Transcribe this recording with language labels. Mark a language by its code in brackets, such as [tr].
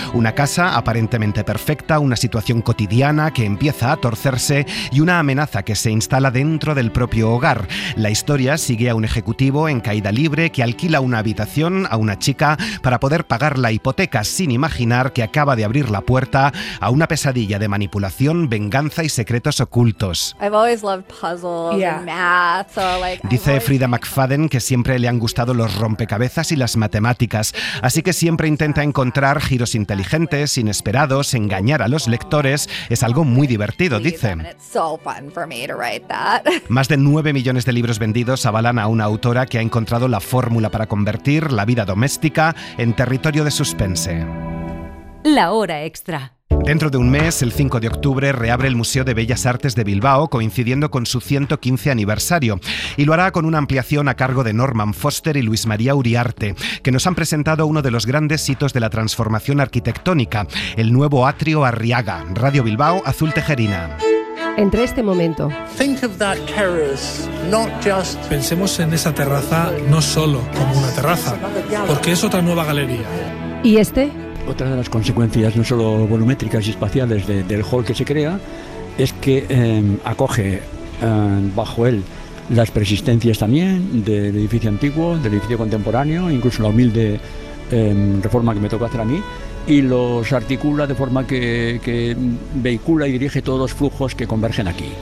[es] Una casa aparentemente perfecta, una situación cotidiana que empieza a torcerse y una amenaza que se instala dentro del propio hogar. La historia sigue a un ejecutivo en caída libre que alquila una habitación a una chica para poder pagar la hipoteca sin imaginar que acaba de abrir la puerta a una pesadilla de manipulación, venganza y secretos ocultos. [en] I've always loved puzzles, yeah, and math, so like, [es] dice Frida McFadden que siempre le han gustado los rompecabezas y las matemáticas, así que siempre intenta encontrar giros inteligentes, inesperados, engañar a los lectores, es algo muy divertido, dice. Más de 9 millones de libros vendidos avalan a una autora que ha encontrado la fórmula para convertir la vida doméstica en territorio de suspense. La Hora Extra. Dentro de un mes, el 5 de octubre, reabre el Museo de Bellas Artes de Bilbao, coincidiendo con su 115 aniversario. Y lo hará con una ampliación a cargo de Norman Foster y Luis María Uriarte, que nos han presentado uno de los grandes hitos de la transformación arquitectónica, el nuevo atrio Arriaga. Radio Bilbao, Azul Tejerina. Entre este momento. [en] Think of that terrace, not just... [es] Pensemos en esa terraza no solo como una terraza, porque es otra nueva galería. ¿Y este? Otra de las consecuencias, no solo volumétricas y espaciales, del hall que se crea, es que acoge bajo él las persistencias también del edificio antiguo, del edificio contemporáneo, incluso la humilde reforma que me tocó hacer a mí, y los articula de forma que vehicula y dirige todos los flujos que convergen aquí.